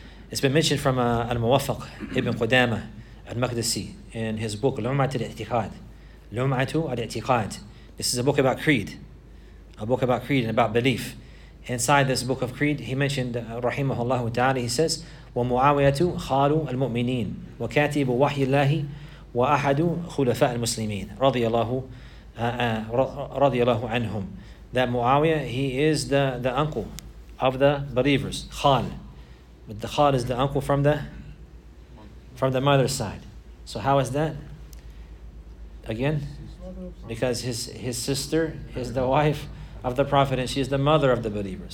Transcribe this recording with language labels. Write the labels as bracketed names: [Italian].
[English] It's been mentioned from Al-Muwaffaq ibn Qudama al-Maqdisi in his book, Lum'at al-I'tiqad. Lum'atu al-I'tiqad. This is a book about creed. A book about creed and about belief. Inside this book of creed, he mentioned, rahimahullahu ta'ala, he says, [Arabic] وَمُعَوِيَةُ خَالُ الْمُؤْمِنِينَ وَكَاتِبُ وَحْيِ اللَّهِ وأحد خلفاء المسلمين رضي الله رضي الله عنهم. [English] That Muawiyah, he is the uncle of the believers. Khal, but the Khal is the uncle from the mother's side. So how is that? Again, because his sister is the wife of the Prophet, and she is the mother of the believers.